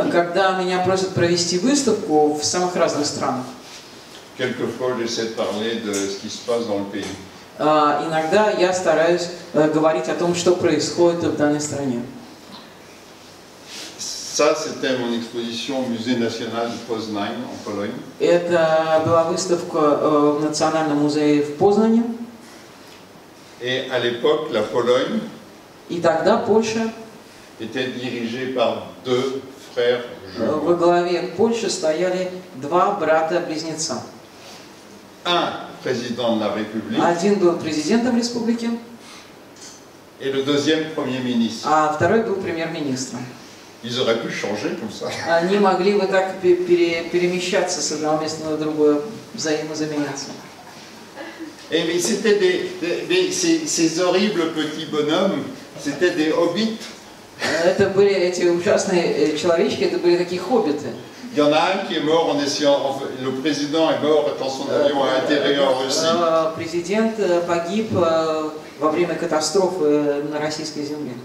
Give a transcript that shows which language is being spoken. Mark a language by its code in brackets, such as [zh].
[ru] когда меня просят провести выставку в самых разных странах, [fr] quelquefois j'essaie de parler de ce qui se passe dans le pays. [ru] Иногда я стараюсь говорить о том, что происходит в данной стране. [fr] Ça, c'était mon exposition au Musée national de Poznań en Pologne. [ru] Это была выставка в Национальном музее в Познане. [fr] Et à l'époque, la Pologne. [ru] И тогда Польша. [fr] Était dirigée par deux frères jumeaux. [ru] Во главе Польши стояли два брата-близнеца. [fr] Un président de la République. [ru] Один был президентом республики. [fr] Et le deuxième premier ministre. [ru] А второй был премьер-министром. [fr] Ils auraient pu changer comme ça. [ru] Они могли бы так перемещаться с одного места на другое, взаимозаменяться. [fr] Et mais c'était ces horribles petits bonhommes, c'était des hobbits. [ru] Это были эти ужасные человечки, это были такие хоббиты. [fr] Il y en a un qui est mort en essayant. Enfin, le président est mort dans son avion à l'intérieur en Russie. [ru] Président погиб во время катастрофы на российской земле.